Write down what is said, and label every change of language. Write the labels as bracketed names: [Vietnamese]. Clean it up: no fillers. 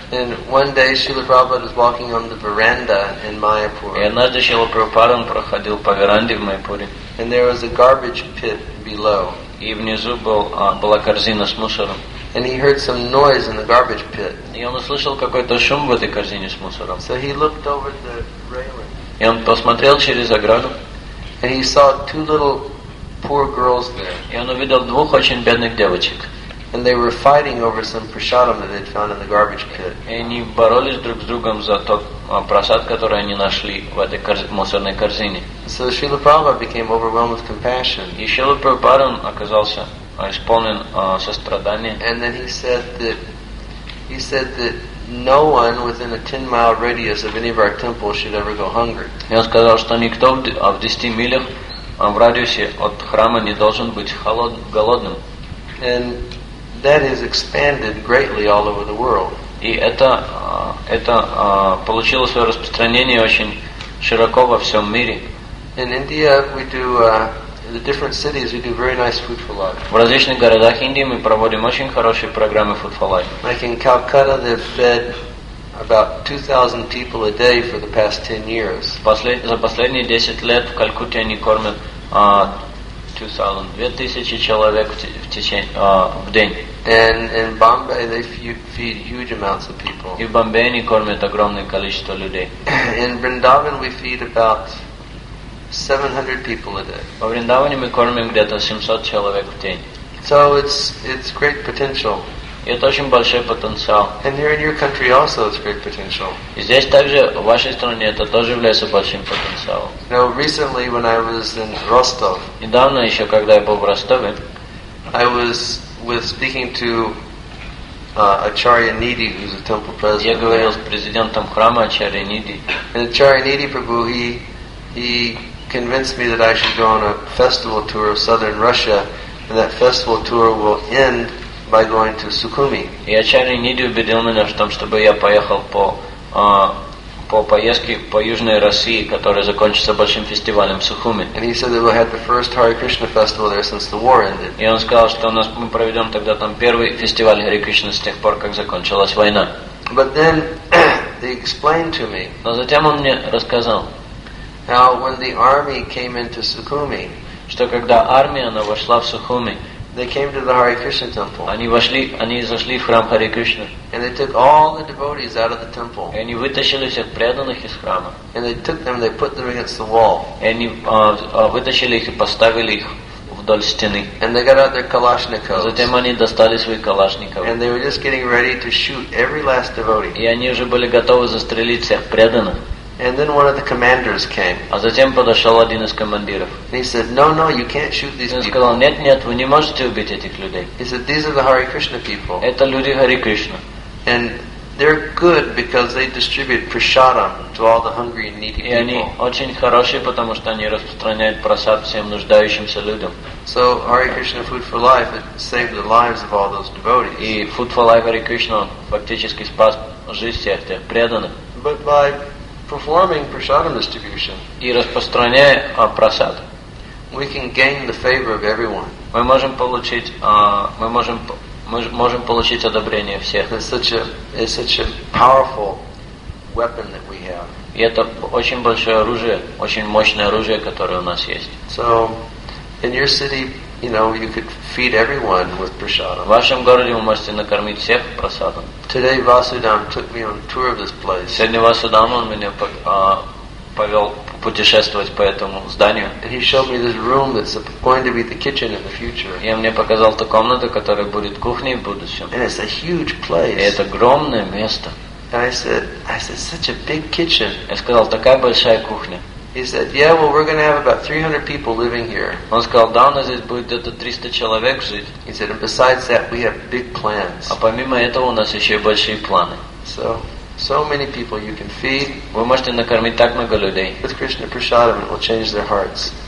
[English] And one day Srila Prabhupada was walking on the veranda in Mayapur. [Russian] И однажды Шрила Прабхупада проходил по веранде в Майпуре. [English] And there was a garbage pit below. [Russian] И внизу была корзина с мусором. [English] And he heard some noise in the garbage pit. [Russian] И он услышал какой-то шум в этой корзине с мусором. [English] So he looked over the railing. [Russian] И он посмотрел через ограду. [English] And he saw two little poor girls there. [Russian] И он увидел двух очень бедных девочек. [English] And they were fighting over some prasadam that they'd found in the garbage pit. [Russian] И они боролись друг с другом за тот просад, который они нашли в этой мусорной корзине. [English] So Srila Prabhupada became overwhelmed with compassion. [Russian] И Шрила Прабхупада оказался исполнен сострадания. [English] And then he said that no one within a 10-mile radius of any of our temples should ever go hungry. [Russian] И он сказал, что никто в 10 милях в радиусе от храма не должен быть голодным. [English] And that has expanded greatly all over the world. [Russian] И это получило свое распространение очень широко во всем мире. [English] In India, we do in the different cities we do very nice food for life. [Russian] В различных городах Индии мы проводим очень хорошие программы food for life. [English] Like in Calcutta, they've fed about 2,000 people a day for the past 10 years. [Russian] За последние 10 лет в Калькутте они кормят 2000 человек в день. [English] And in Bombay they feed huge amounts of people. [Russian] И в Бомбее они кормят огромное количество людей. [English] In Vrindavan we feed about 700 people a day. [Russian] Во Вриндаване мы кормим где-то 700 человек в день. [English] So it's great potential. [Russian] И это очень большой потенциал. [English] And here in your country also it's great potential. [Russian] И здесь также, в вашей стране, это тоже является большим потенциалом. [English] Now, recently, when I was in Rostov, [Russian] недавно еще, когда я был в Ростове, [English] I was with speaking to Acharya Nidhi, who's a temple president. [Russian] Я говорил с президентом храма Acharya Nidhi. [English] And Acharya Nidhi Prabhu, he convinced me that I should go on a festival tour of southern Russia, and that festival tour will end by going to Sukhumi. [Russian] И Acharya Nidhi убедил меня в том, чтобы я поехал по поездке по Южной России, которая закончится большим фестивалем в Сухуми. [English] And he said that we'll have the first Hare Krishna festival there since the war ended. [Russian] И он сказал, что у нас мы проведем тогда там первый фестиваль Hare Krishna с тех пор, как закончилась война. [English] But then he explained to me. [Russian] Но затем он мне рассказал. [English] Now when the army came into Sukhumi, [Russian] что когда армия она вошла в Сухуми, [English] they came to the Hare Krishna temple. [Russian] Они зашли в храм Hare Krishna. [English] And they took all the devotees out of the temple. [Russian] И они вытащили всех преданных из храма. [English] And they took them, they put them against the wall. [Russian] И они вытащили их и поставили их вдоль стены. [English] And they got out their Kalashnikovs. [Russian] Затем они достали свои Калашниковы. [English] And they were just getting ready to shoot every last devotee. [Russian] И они уже были готовы застрелить всех преданных. [English] And then one of the commanders came. [Russian] А затем подошел один из командиров. [English] And he said, "No, no, you can't shoot these people." [Russian] Он сказал, нет, вы не можете убить этих людей. [English] He said, "These are the Hare Krishna people." [Russian] Это люди Hare Krishna. [English] And they're good because they distribute prasadam to all the hungry and needy people. [Russian] И они очень хорошие, потому что они распространяют просад всем нуждающимся людям. [English] So Hare Krishna Food for Life it saved the lives of all those devotees. [Russian] И Food for Life Hare Krishna фактически спас жизнь всех тех преданных. [English] But by performing prasadam distribution, [Russian] и распространяя просад, [English] we can gain the favor of everyone. [Russian] Мы можем получить одобрение всех. [English] It's such a powerful weapon that we have. [Russian] И это очень большое оружие, очень мощное оружие, которое у нас есть. [English] So, in your city, you know, you could feed everyone with prasadam. [Russian] В вашем городе вы можете накормить всех просадом. [English] Today Vasudam took me on a tour of this place. [Russian] Сегодня Васудам он меня повел путешествовать по этому зданию. [English] And he showed me this room that's going to be the kitchen in the future. [Russian] И он мне показал ту комнату, которая будет кухней в будущем. [English] And it's a huge place. [Russian] И это огромное место. [English] And I said, such a big kitchen. [Russian] Я сказал, такая большая кухня. [English] He said, "Yeah, well, we're going to have about 300 people living here." [Russian] Он сказал, да, у нас здесь будет где-то 300 человек жить. [English] He said, "And besides that, we have big plans." [Russian] А помимо этого у нас еще большие планы. [English] So, So many people you can feed. [Russian] Вы можете накормить так много людей. [English] With Krishna prasadam, it will change their hearts.